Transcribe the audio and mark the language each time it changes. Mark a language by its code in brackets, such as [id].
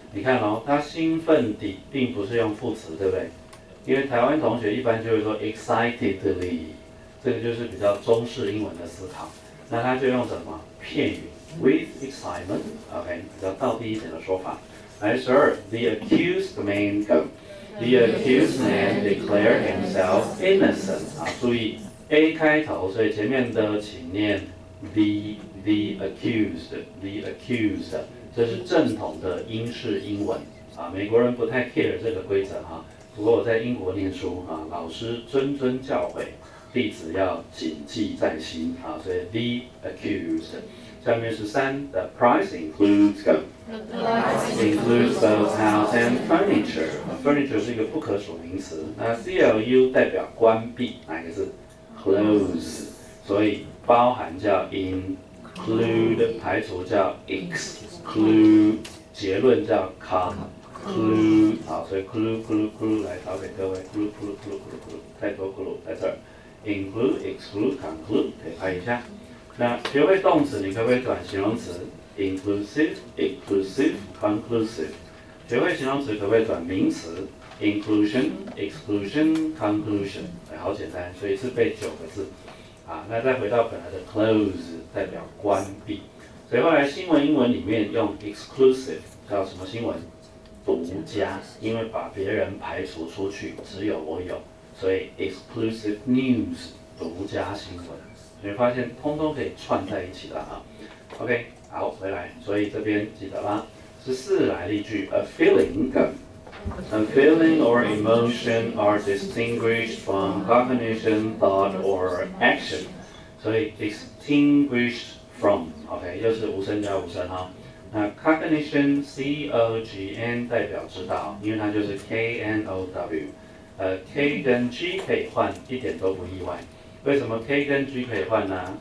[zh] 你看哦，他兴奋地并不是用副词，对不对？因为台湾同学一般就会说 excitedly， 这个就是比较中式英文的思考。那他就用什么片语 ？ [en] With excitement. [zh] OK， 比较道地一点的说法。 [en] 来 ，Sir， the accused man go. The accused man declared himself innocent. [zh] 啊，注意 A 开头，所以前面的请念 [en] the accused， the accused， [zh] 这是正统的英式英文啊。美国人不太 care 这个规则哈、啊。不过我在英国念书啊，老师谆谆教诲，弟子要谨记在心啊。 [en] 所以 the accused。 [zh] 下面是3 [en] The price includes go. The includes both house and furniture. [zh] Furniture 是一个不可数名词。那 CLU 代表关闭，哪个字 ？Close. 所以包含叫 include， 排除叫 exclude， 结论叫 conclude。好，所以 clue 来交给各位 ，clue 太多 clue 在这儿。 [en] Include, exclude, conclude， [zh] 可以拍一下。那学会动词，你可不可以转形容词 ？inclusive, inclusive, conclusive。学会形容词，可不可以转名词 ？inclusion, exclusion, conclusion。哎，好简单，所以是背9个字。啊，那再回到本来的 close， 代表关闭。所以后来新闻英文里面用 exclusive 叫什么新闻？独家，因为把别人排除出去，只有我有，所以 exclusive news， 独家新闻。你会发现通通可以串在一起的啊。OK， 好，回来，所以这边记得啦。14来例句 ， [en] A feeling go。 A And feeling or emotion are distinguished from cognition, thought, or action. [zh] 所以 distinguish from, OK, 又是无声加无声哈。那 cognition, C-O-G-N 代表知道，因为它就是 K-N-O-W。 K 跟 G 可以换，一点都不意外。为什么 K 跟 G 可以换呢？